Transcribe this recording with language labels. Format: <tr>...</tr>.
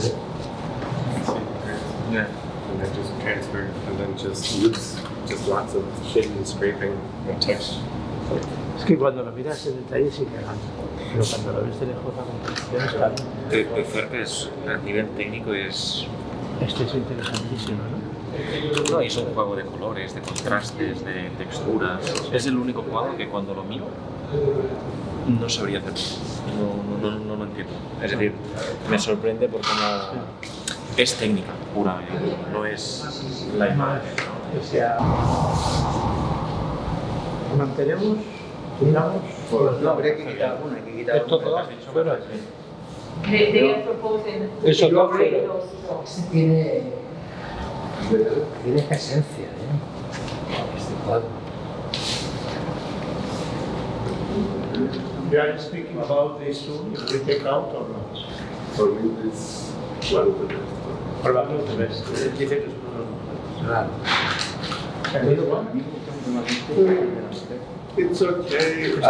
<en>And then just transfer, and then just lots of shit and scraping and text.</en> <es>Es que cuando lo miras en detalle sí que gana. Pero cuando lo ves de lejos la composición está bien. De fuerte es a nivel técnico es. Este es interesantísimo, ¿no? No, es un juego de colores, de contrastes, de texturas. Es el único cuadro que cuando lo miro no sabría hacer. No lo entiendo. Es decir, me sorprende porque no. Es técnica pura, no es la imagen. O sea. Mantenemos. Quitamos, pues, no, habría que quitar alguna, hay que quitar esto alguna. Todo afuera. Sí. Eso todo afuera. Tiene esa esencia, ¿eh? Este cuadro.</es> <en>We are speaking about this room, if we take out or not? For me, it's one of the best. Or one of the best. Is it difficult to run? It's okay.</en>